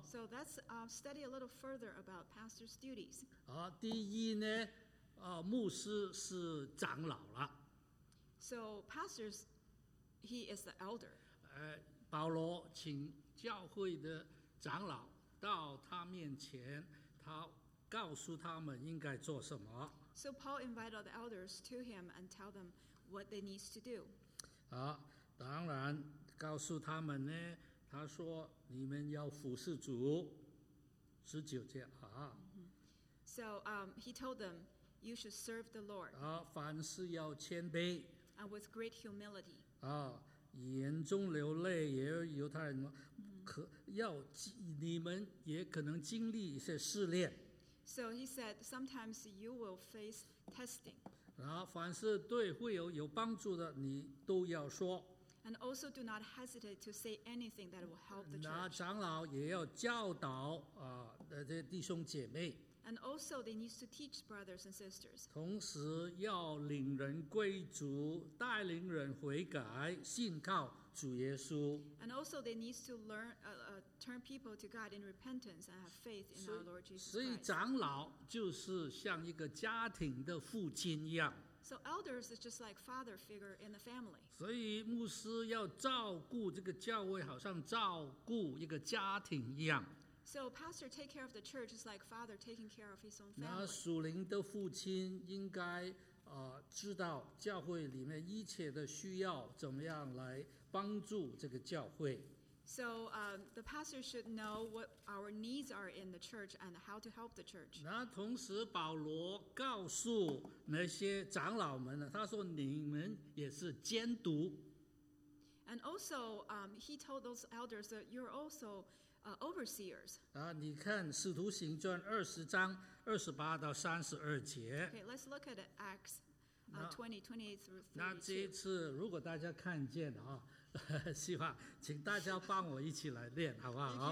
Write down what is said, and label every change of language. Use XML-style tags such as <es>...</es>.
<en>So let's study a little further about pastor's duties.</en> <zh>第一呢牧师是长老了。</zh> <en>So pastors, he is the elder.</en> <zh>保罗请教会的长老到他面前，他告诉他们应该做什么。</zh> <en>So Paul invited the elders to him and tell them what they need to do.</en> <zh>当然告诉他们呢，他说你们要服侍主，十九节啊。</zh> <en>So he told them you should serve the Lord.</en> <zh>凡事要谦卑。</zh> <en>And with great humility.</en> <zh>眼中流泪，也有犹太人可要你们也可能经历一些试炼。</zh> <en>So he said, sometimes you will face testing.</en> <zh>然后凡是对会友有帮助的，你都要说。</zh> <en>And also do not hesitate to say anything that will help the church.</en> <zh>然后长老也要教导这弟兄姐妹。</zh> <en>And also they need to teach brothers and sisters.</en> <zh>同时要领人归主，带领人悔改，信靠主耶稣。</zh> <en>And also they need to learn, turn people to God in repentance and have faith in our Lord Jesus Christ.</en> <zh>所以长老就是像一个家庭的父亲一样。</zh> <en>So elders is just like father figure in the family.</en> <zh>所以牧师要照顾这个教会，好像照顾一个家庭一样。</zh> <en>So pastor take care of the church is like father taking care of his own family.</en> <zh>那属灵的父亲应该知道教会里面一切的需要，怎么样来帮助这个教会。</zh> <en>So the pastor should know what our needs are in the church and how to help the church.</en> <zh>那同时保罗告诉那些长老们呢，他说你们也是监督。</zh> <en>And also he told those elders that you're also overseers.</en> <zh>你看《使徒行传》二十章二十八到三十二节。</zh> <en>Okay, let's look at Acts 20:28-32.</en> <zh>那这一次，如果大家看见希望请大家帮我一起来念，好不好？</zh>